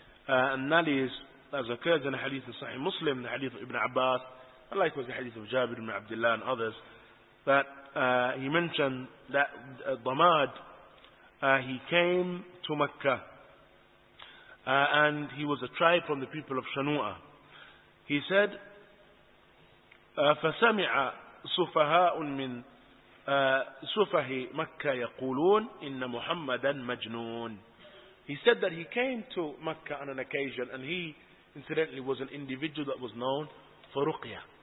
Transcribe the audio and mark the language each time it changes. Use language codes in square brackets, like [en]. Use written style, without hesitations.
[en] And that is, as occurs in the hadith of Sahih Muslim, the hadith of Ibn Abbas, and likewise the hadith of Jabir ibn Abdullah and others, that he mentioned that Damad, he came to Mecca, and he was a tribe from the people of Shanu'a. He said, [ar] فَسَمِعَ سُفَهَاءٌ مِّن سُفَهِ مَكَّةَ يَقُولُونَ إِنَّ مُحَمَّدًا مَجْنُونَ. [en] He said that he came to Mecca on an occasion, and he, incidentally, was an individual that was known for ruqya.